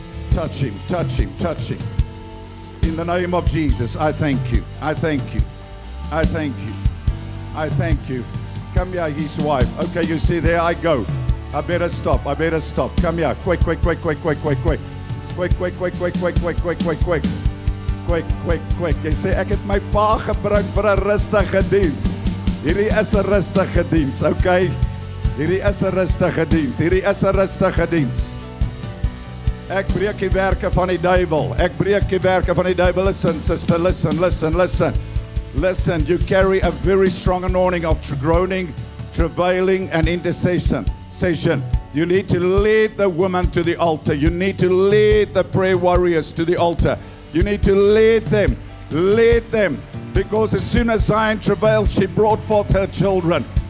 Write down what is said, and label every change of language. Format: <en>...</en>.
<en>Touch him, touch him, touch him. In the name of Jesus, I thank you. I thank you. I thank you. I thank you. Come here, his wife. Okay, you see, there I go. I better stop. I better stop. Come here. Quick, quick, quick, quick, quick, quick, quick. Quick, quick, quick, quick, quick, quick, quick, quick, quick. Quick, quick, quick.</en> <af>Jy sê, ek het my pa gebring vir 'n rustige diens. Hierdie is 'n rustige diens, okay? Hierdie is 'n rustige diens. Hierdie is 'n rustige diens. Ek breek die werke van die duivel. Ek breek die werke van die duivel.</af> <en>Listen, sister, listen, listen, listen. Listen, you carry a very strong anointing of groaning, travailing, and intercession. Session. You need to lead the woman to the altar. You need to lead the prayer warriors to the altar. You need to lead them. Lead them. Because as soon as Zion travailed, she brought forth her children.</en>